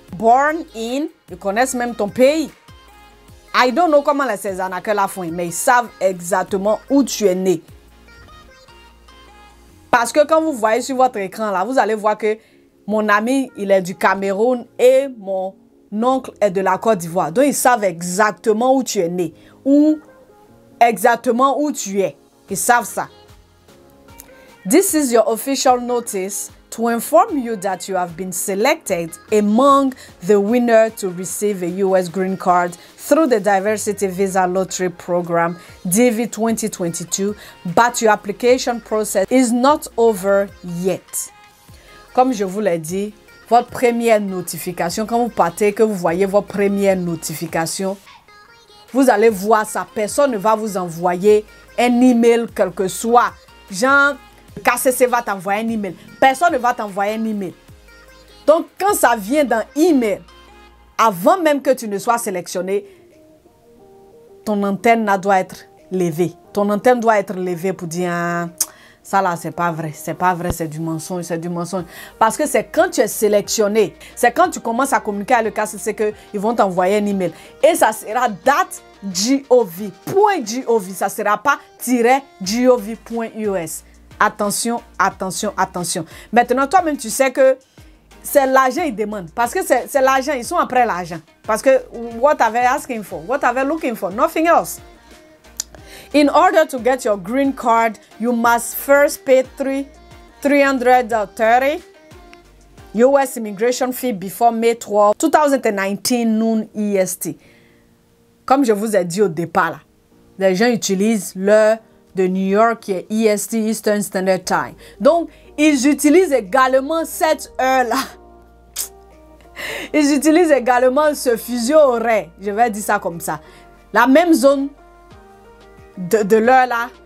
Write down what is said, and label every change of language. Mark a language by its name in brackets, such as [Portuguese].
[English] Born in, [French] ils connaissent même ton pays. [English] I don't know [French] comment ces arnaqueurs la font, mais ils savent exactement où tu es né. Parce que quand vous voyez sur votre écran là, vous allez voir que mon ami, il est du Cameroun et mon oncle est de la Côte d'Ivoire. Donc, ils savent exactement où tu es né. Ou exactement où tu es. Ils savent ça. [English] This is your official notice to inform you that you have been selected among the winner to receive a U.S. green card through the Diversity Visa Lottery Program, DV 2022, but your application process is not over yet. [French] Comme je vous l'ai dit, votre première notification, quand vous partez, que vous voyez votre première notification, vous allez voir ça. Personne ne va vous envoyer un email, quel que soit. Genre, KCC va t'envoyer un email. Personne ne va t'envoyer un email. Donc, quand ça vient dans email, avant même que tu ne sois sélectionné, ton antenne doit être levée. Ton antenne doit être levée pour dire, ah, ça là, c'est pas vrai. C'est pas vrai, c'est du mensonge, c'est du mensonge. Parce que c'est quand tu es sélectionné, c'est quand tu commences à communiquer avec le KCC qu'ils vont t'envoyer un email. Et ça sera .gov. Ça sera pas .gov.us. Attention, attention, attention. Maintenant, toi-même, tu sais que c'est l'argent qu'ils demandent. Parce que c'est l'argent, ils sont après l'argent. Parce que [English] what are they asking for? What are they looking for? Nothing else. In order to get your green card, you must first pay $330 US immigration fee before May 12, 2019 noon EST. [French] Comme je vous ai dit au départ, là, les gens utilisent l'heure de New York qui est EST, Eastern Standard Time. Donc, ils utilisent également cette heure-là. Ils utilisent également ce fuseau horaire. Je vais dire ça comme ça. La même zone de l'heure là.